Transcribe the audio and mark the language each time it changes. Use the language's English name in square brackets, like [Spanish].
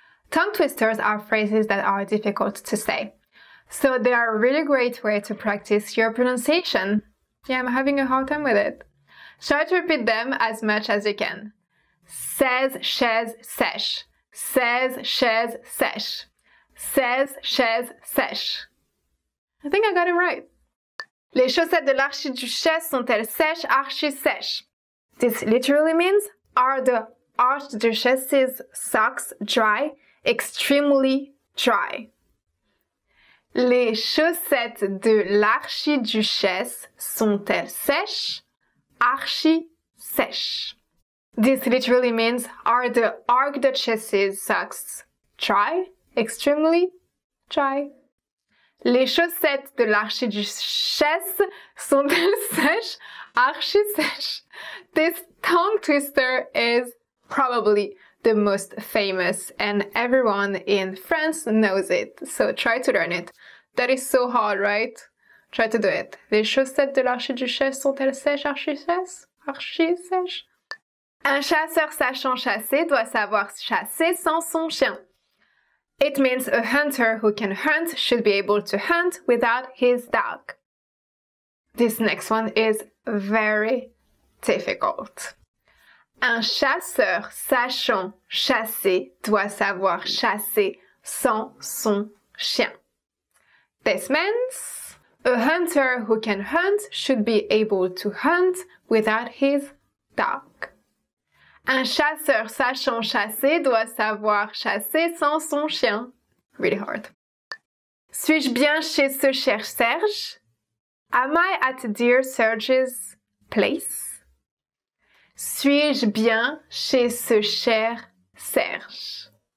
[English] Tongue twisters are phrases that are difficult to say, so they are a really great way to practice your pronunciation. Yeah, I'm having a hard time with it. Try to repeat them as much as you can. [French] 16 chaises sèches. 16 chaises sèches. 16 chaises sèches. [English] I think I got it right. [French] Les chaussettes de l'archiduchesse sont-elles sèches, archi sèches? [English] This literally means, are the archduchesse's socks dry, extremely dry? [French] Les chaussettes de l'archiduchesse sont-elles sèches, archi sèches? [English] This literally means, are the archduchesse's socks dry, extremely dry? [French] Les chaussettes de l'archiduchesse sont-elles sèches, archi sèches? [English] This tongue twister is probably the most famous and everyone in France knows it. So try to learn it. That is so hard, right? Try to do it. [French] Les chaussettes de l'archiduchesse sont-elles sèches, archi sèches? Archi sèches? Un chasseur sachant chasser doit savoir chasser sans son chien. [English] It means a hunter who can hunt should be able to hunt without his dog. This next one is very difficult. [French] Un chasseur sachant chasser doit savoir chasser sans son chien. [English] This means a hunter who can hunt should be able to hunt without his dog. [French] Un chasseur sachant chasser doit savoir chasser sans son chien. [English] Really hard. [French] Suis-je bien chez ce cher Serge? [English] Am I at dear Serge's place? [French] Suis-je bien chez ce cher Serge?